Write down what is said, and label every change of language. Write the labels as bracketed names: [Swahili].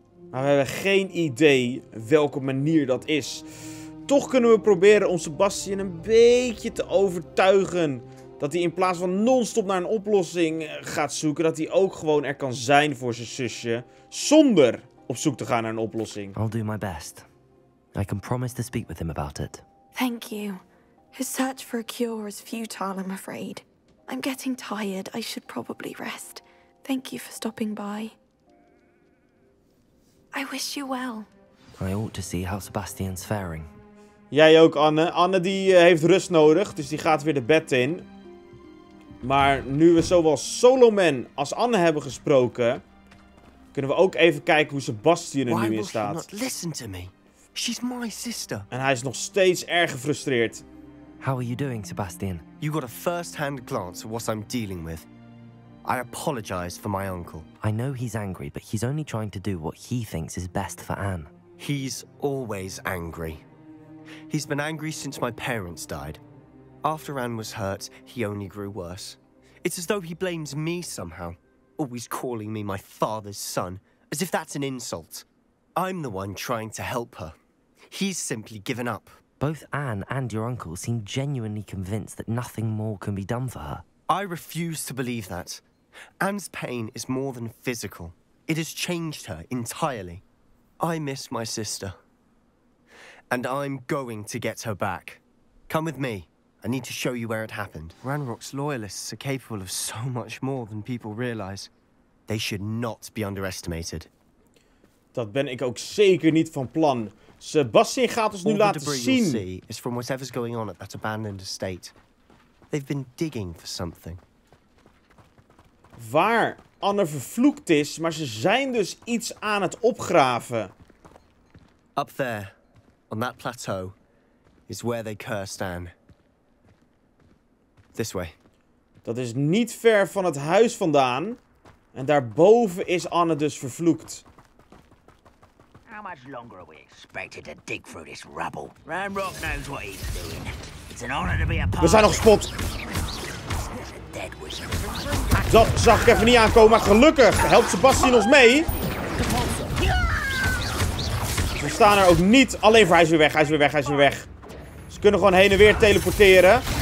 [Dutch] Maar we hebben geen idee welke manier dat is. Toch kunnen we proberen om Sebastian een beetje te overtuigen. Dat hij in plaats van non-stop naar een oplossing gaat zoeken. Dat hij ook gewoon er kan zijn voor zijn zusje. Zonder op zoek te gaan naar een oplossing. [English] I'll do my best. I can promise to speak with him about it. Thank you. His search for a cure is futile, I'm afraid. I'm getting tired. I should probably rest. Thank you for stopping by. I wish you well. I ought to see how Sebastian's faring. [Dutch] Jij ook, Anne. Anne die heeft rust nodig, dus die gaat weer de bed in. Maar nu we zowel Solomon als Anne hebben gesproken, kunnen we ook even kijken hoe Sebastian er nu in staat. [English] Why will she not listen to me? She's my sister. [Dutch] En hij is nog steeds erg gefrustreerd. [English] How are you doing, Sebastian? You got a first-hand glance at what I'm dealing with. I apologize for my uncle. I know he's angry, but he's only trying to do what he thinks is best for Anne. He's always angry. He's been angry since my parents died. After Anne was hurt, he only grew worse. It's as though he blames me somehow, always calling me my father's son, as if that's an insult. I'm the one trying to help her. He's simply given up. Both Anne and your uncle seem genuinely convinced that nothing more can be done for her. I refuse to believe that. Anne's pain is more than physical. It has changed her entirely. I miss my sister. And I'm going to get her back. Come with me. I need to show you where it happened. Ranrock's loyalists are capable of so much more than people realize. They should not be underestimated. [Dutch] Dat ben ik ook zeker niet van plan. Sebastian gaat ons nu all laten zien. [English] All the debris you'll see is from whatever's going on at that abandoned estate. They've been digging for something. [Dutch] Waar Anne vervloekt is, maar ze zijn dus iets aan het opgraven. [English] Up there, on that plateau, is where they cursed Anne. This way. [Dutch] Dat is niet ver van het huis vandaan. En daarboven is Anne dus vervloekt. [English] How much longer are we expected to dig through this rubble? Ranrock knows what he's doing. It's an honor to be a part. [Dutch] We zijn nog gespot. Dat zag ik even niet aankomen, maar gelukkig helpt Sebastian ons mee. We staan er ook niet. Alleen voor hij is weer weg, hij is weer weg, hij is weer weg. Ze kunnen gewoon heen en weer teleporteren.